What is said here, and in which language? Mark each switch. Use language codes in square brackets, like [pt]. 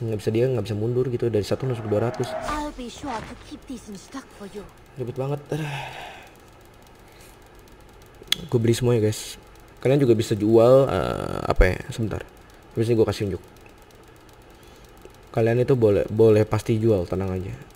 [id] Nggak bisa mundur gitu dari 1 langsung ke 200. [en] I'll be sure to keep this in stock for you. [id] Ribet banget. Gue beli semua ya guys. Kalian juga bisa jual apa ya? Sebentar. Habis ini gue kasih unjuk. Kalian itu boleh pasti jual, tenang aja.